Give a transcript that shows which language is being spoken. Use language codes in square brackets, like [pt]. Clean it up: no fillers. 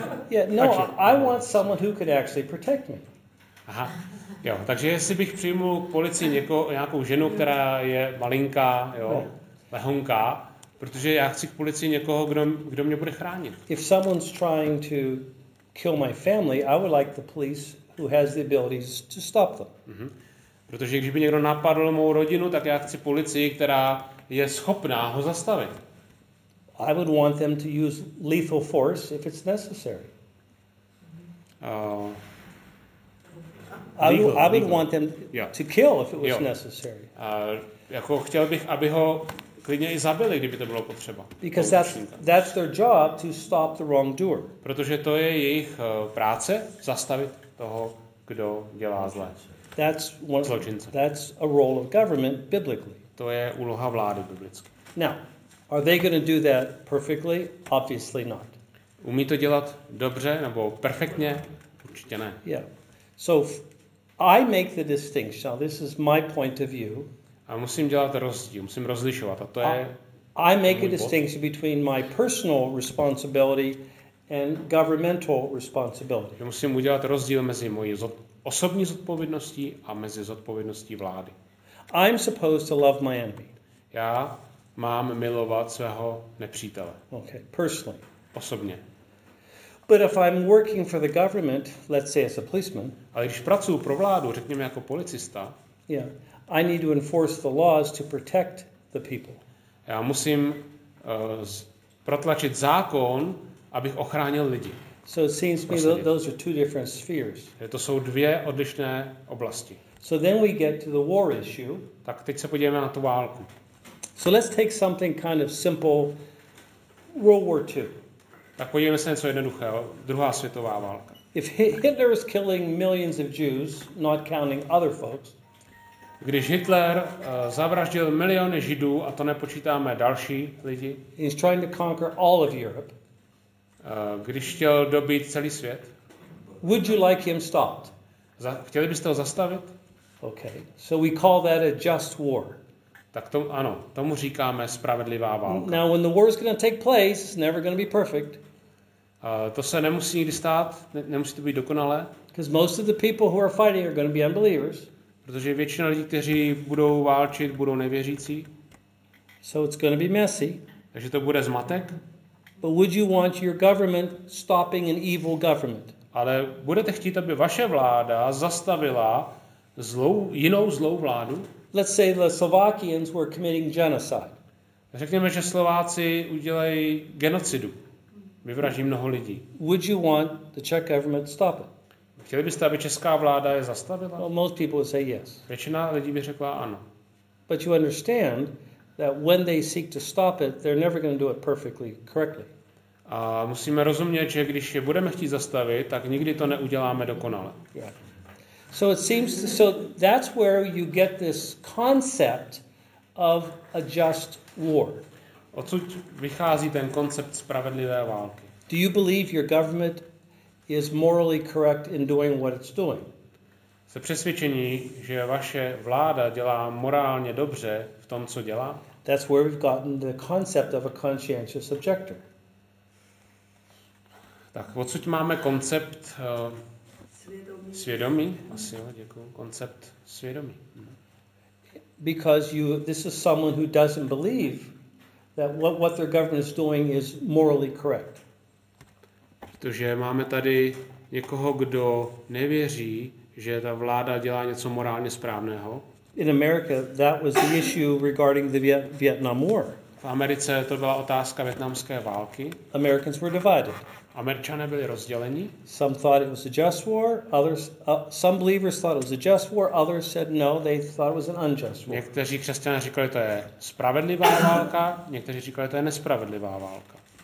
[en] Yeah, no, I want someone who could actually protect me. [cs] Aha, jo, takže jestli bych přijmul k policii někoho, nějakou ženu, která je malinká, jo, lehonká, protože já chci k policii někoho, kdo mě bude chránit. [en] If someone's trying to kill my family, I would like the police who has the abilities to stop them. Mm-hmm. [cs] Protože když by někdo napadl mou rodinu, tak já chci policii, která je schopná ho zastavit. [en] I would want them to use lethal force if it's necessary. I would want them to kill if it was necessary. [cs] Jako chtěl bych, aby ho klidně i zabili, kdyby to bylo potřeba. [en] Because that's their job to stop the wrongdoer. [cs] Protože to je jejich práce zastavit toho, kdo dělá zlé. [en] That's a role of government biblically. [cs] To je úloha vlády biblicky. [en] Now, are they going to do that perfectly? Obviously not. [cs] Umí to dělat dobře nebo perfektně? Určitě ne. [en] Yeah. So I make the distinction. Now, this is my point of view. [cs] A musím dělat rozdíl, musím rozlišovat. A to je [en] I make a distinction between my personal responsibility and governmental responsibility. [cs] Já musím udělat rozdíl mezi mojí osobní zodpovědností a mezi zodpovědností vlády. [en] I'm supposed to love my enemy. [cs] Já mám milovat svého nepřítele. [en] Okay, personally. [cs] Osobně. [en] But if I'm working for the government, let's say as a policeman. [cs] Ale když pracuji pro vládu, řekněme jako policista. [en] Yeah. I need to enforce the laws to protect the people. [cs] Já musím protlačit zákon, abych ochránil lidi. [en] So it seems to me that those are two different spheres. [cs] To jsou dvě odlišné oblasti. [en] So then we get to the war issue. [cs] Tak teď se podíváme na tu válku. [en] So let's take something kind of simple, World War II. [cs] Tak podívejme se něco jednoduchého, druhá světová válka. [en] If Hitler is killing millions of Jews, not counting other folks. [cs] Když Hitler zavraždil miliony Židů a to nepočítáme další lidi. [en] He's trying to conquer all of Europe. [cs] Když chtěl dobít celý svět. [en] Would you like him stopped? [cs] Chtěli byste ho zastavit? [en] Okay. So we call that a just war. [cs] Tak to ano, tomu říkáme spravedlivá válka. [en] Now when the war is going to take place, it's never going to be perfect. [cs] To se nemusí nikdy stát, nemusí to být dokonalé. [en] Because most of the people who are fighting are going to be unbelievers. [cs] Protože většina lidí, kteří budou válčit, budou nevěřící. [en] So it's going to be messy. [cs] Takže to bude zmatek. [en] But would you want your government stopping an evil government? [cs] Ale budete chtít, aby vaše vláda zastavila zlou, jinou zlou vládu? [en] Let's say the Slovakians were committing genocide. [cs] Řekněme, že Slováci udělají genocidu. Vyvraží mnoho lidí. [en] Would you want the Czech government to stop it? [cs] Chtěli byste, aby česká vláda je zastavila? [en] Well, most people would say yes. [cs] Většina lidí by řekla ano. [en] But you understand that when they seek to stop it, they're never going to do it perfectly correctly. [cs] A musíme rozumět, že když je budeme chtít zastavit, tak nikdy to neuděláme dokonale. [en] Yeah. So it seems to, so that's where you get this concept of a just war. [cs] Odsud vychází ten koncept spravedlivé války. [en] Do you believe your government is morally correct in doing what it's doing? [cs] Se přesvědčení, že vaše vláda dělá morálně dobře v tom, co dělá? [en] That's where we've gotten the concept of a conscientious objector. [cs] Tak odsud máme koncept svědomí. Asi jo, děkuju. Koncept svědomí. [en] Because this is someone who doesn't believe that what their government is doing is morally correct. [cs] Protože máme tady někoho, kdo nevěří, že ta vláda dělá něco morálně správného. [en] In America, that was the issue regarding the Vietnam War. [cs] V Americe to byla otázka vietnamské války. [en] Americans were divided. [cs] Američané byli rozděleni. [en] Some thought it was a just war, others some believers thought it was a just war, others said no, they thought it was an unjust war. [cs] Někteří křesťané říkali, to je spravedlivá válka, někteří říkali, to je nespravedlivá válka.